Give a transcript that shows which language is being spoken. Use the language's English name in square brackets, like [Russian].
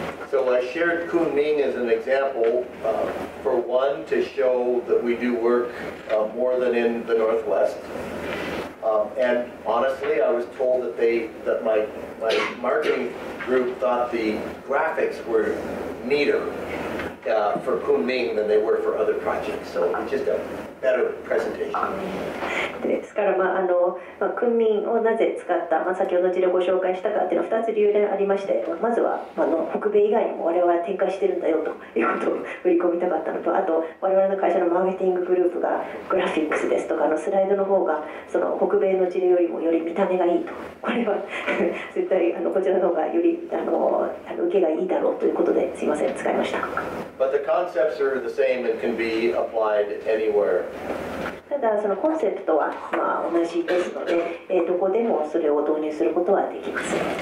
[English] So I shared Kunming as an example、for one to show that we do work、more than in the Northwest. And honestly, I was told that my marketing group thought the graphics were neater、for Kunming than they were for other projects. So it's just a better presentation. [Japanese] ですから、まあ、クンミンをなぜ使った、まあ、先ほど事例をご紹介したかというのは2つ理由でありまして、まずは北米以外にも我々は展開してるんだよということを売り込みたかったのと、あと我々の会社のマーケティンググループがグラフィックスですとかのスライドの方がその北米の事例よりもより見た目がいいと、これは絶対こちらの方がより受けがいいだろうということで、すいません使いました。 [English] But the concepts are the same and can be applied anywhere. [Japanese] ただそのコンセプトはまあ同じですので、どこでもそれを導入することはできます。